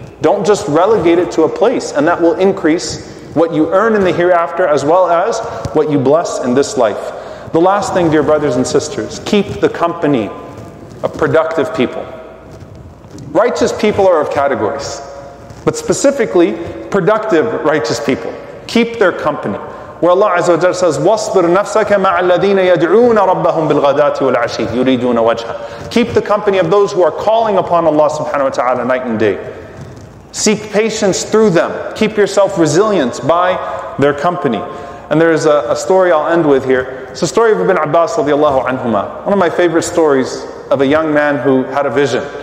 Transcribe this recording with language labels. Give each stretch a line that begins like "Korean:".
English: Don't just relegate it to a place, and that will increase what you earn in the hereafter as well as what you bless in this life. The last thing, dear brothers and sisters, keep the company of productive people. Righteous people are of categories, but specifically, productive righteous people. Keep their company. Where Allah Azza wa Jalla says,
Arabic: وَاصْبِرْ نَفْسَكَ مَعَ الَّذِينَ يَدْعُونَ رَبَّهُمْ بِالْغَدَاتِ وَالْعَشِيِّ يُرِيدُونَ وَجْهًا.
English: Keep the company of those who are calling upon Allah subhanahu wa ta'ala night and day. Seek patience through them. Keep yourself resilient by their company. And there is a story I'll end with here. It's the story of Ibn Abbas radiallahu anhumah. One of my favorite stories of a young man who had a vision.